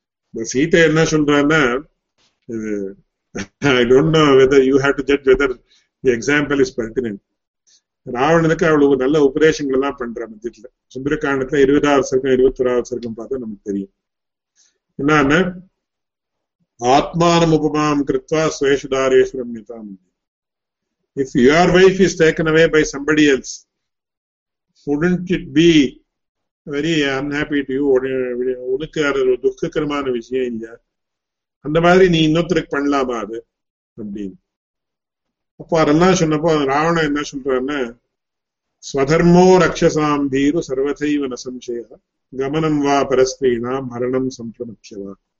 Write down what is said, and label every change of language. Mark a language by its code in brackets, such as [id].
[ta] இந்த சீதை என்ன சொல்றாருன்னா, [en] I don't know whether you have to judge whether the example is pertinent. [ta] ராவணனுக்கு அவ்வளவு நல்ல உபதேசங்கள் எல்லாம் பண்ற மத்தியத்துல சுந்தரகாண்டத்துல 20வது சர்க்கம் 21வது சர்க்கம் பார்த்தா நமக்கு தெரியும் என்னன்னா, [sa] ஆத்மானம் உபமாம் கிருத்வா சுவேஷு தாரேஷு ரம்யதாம். [en] If your wife is taken away by somebody else, wouldn't it be very unhappy to you? [ta] உனக்கு துக்ககரமான விஷயம் இல்லையா? அந்த மாதிரி நீ இன்னொருத்தருக்கு பண்ணலாமா அது அப்படின்னு. அப்போ அதெல்லாம் சொன்னப்போ ராவண என்ன சொல்றாருன்னா, [sa] ஸ்வதர்மோ ரக்ஷசாம் தீரு சர்வதைவ ந சம்சய கமனம் வா பரஸ்திரீனாம் மரணம் சம்பிரமுக்கியவா.